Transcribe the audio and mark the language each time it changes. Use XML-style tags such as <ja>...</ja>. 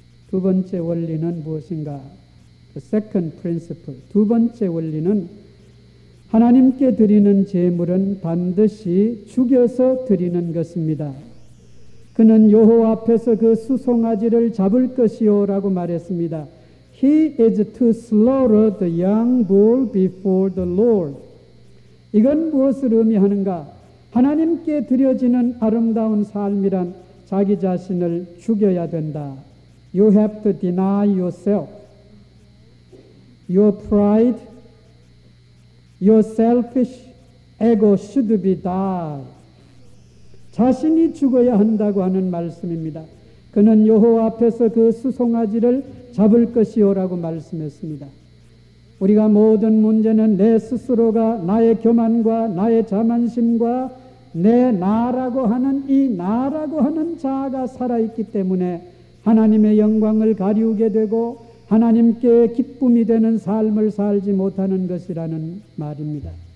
<ko>두 번째 원리는 무엇인가?</ko> <en>The second principle.</en> <ko>두 번째 원리는 하나님께 드리는 제물은 반드시 죽여서 드리는 것입니다. 그는 여호와 앞에서 그 수송아지를 잡을 것이요라고 말했습니다.</ko> <en>He is to slaughter the young bull before the Lord.</en> <ko>이건 무엇을 의미하는가? 하나님께 드려지는 아름다운 삶이란 자기 자신을 죽여야 된다.</ko> <en>You have to deny yourself. Your pride, your selfish ego should be died.</en> <ko>자신이 죽어야 한다고 하는 말씀입니다. 그는 여호와 앞에서 그 수송아지를 잡을 것이오라고 말씀했습니다. 우리가 모든 문제는 내 스스로가 나의 교만과 나의 자만심과 내 나라고 하는 이 나라고 하는 자아가 살아있기 때문에 하나님의 영광을 가리우게 되고 하나님께 기쁨이 되는 삶을 살지 못하는 것이라는 말입니다.</ko>